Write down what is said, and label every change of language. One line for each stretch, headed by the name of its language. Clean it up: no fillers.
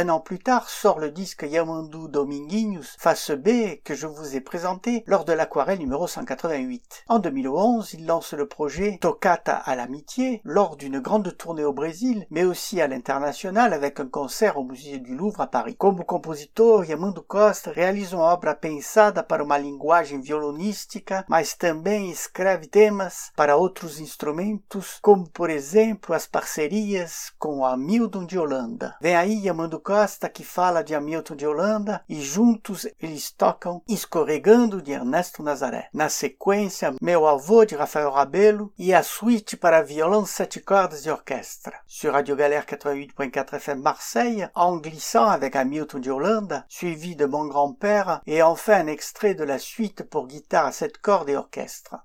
French: Un an plus tard, sort le disque Yamando Dominguinhos, face B, que je vous ai présenté lors de l'aquarelle numéro 188. En 2011, il lance le projet Toccata à l'amitié, lors d'une grande tournée au Brésil, mais aussi à l'international, avec un concert au Musée du Louvre à Paris. Comme compositeur, Yamando Costa réalise une
Portuguese: obra pensada para uma linguagem violonística, mas também escreve temas para outros instrumentos, como por exemplo as parcerias com Hamilton de Holanda. Vem aí Yamando Costa que fala de Hamilton de Holanda e juntos eles tocam Escorregando de Ernesto Nazaré. Na sequência, Meu Avô de Rafael Rabelo e a suíte para violão sete cordas e orquestra.
French: Sur Radio Galère 88. 4 FM Marseille, en glissant avec Hamilton de Holanda, suivi de Mon Grand-Père, et enfin un extrait de la suite pour guitare à sept cordes et orchestre.